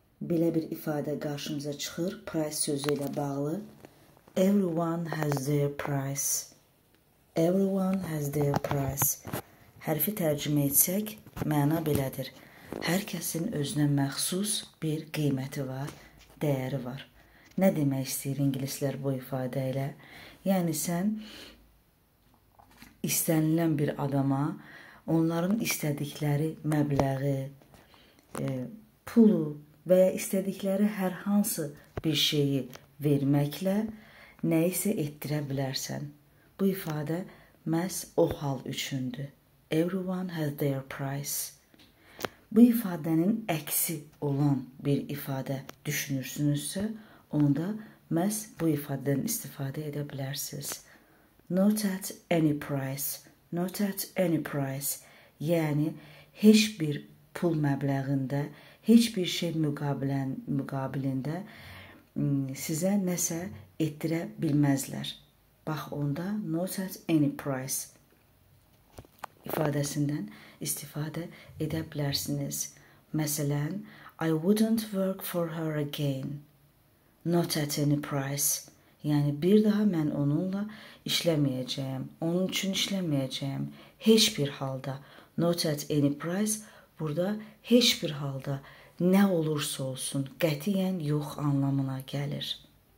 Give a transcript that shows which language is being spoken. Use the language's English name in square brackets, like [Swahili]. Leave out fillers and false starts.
[Azerbaijani] belə bir ifadə qarşımıza çıxır price sözü ilə bağlı. [English] Everyone has their price. Everyone has their price. [Azerbaijani] Hərfi tərcümə etsək, məna belədir. Hər kəsin özünə məxsus bir qiyməti var, dəyəri var. Nə demək istəyir ingilislər bu ifadə ilə? Yəni, sən istənilən bir adama onların istədikləri məbləği, pulu və ya istədikləri hər hansı bir şeyi verməklə nə isə etdirə bilərsən. Bu ifadə məhz o hal üçündür. [English] Everyone has their price. [Azerbaijani] Bu ifadənin əksi olan bir ifadə düşünürsünüzsə, onda məhz bu ifadədən istifadə edə bilərsiniz. [English] Not at any price. Not at any price. [Azerbaijani] Yəni, heç bir pul məbləğində, heç bir şey müqabilində sizə nəsə etdirə bilməzlər. Bax, onda [English] not at any price [Azerbaijani] ifadəsindən istifadə edə bilərsiniz. Məsələn, [English] I wouldn't work for her again. Not at any price. [Azerbaijani] Yəni, bir daha mən onunla işləməyəcəyim. Onun üçün işləməyəcəyim. Heç bir halda. [English] Not at any price. [Azerbaijani] Burada heç bir halda nə olursa olsun qətiyyən yox anlamına gəlir.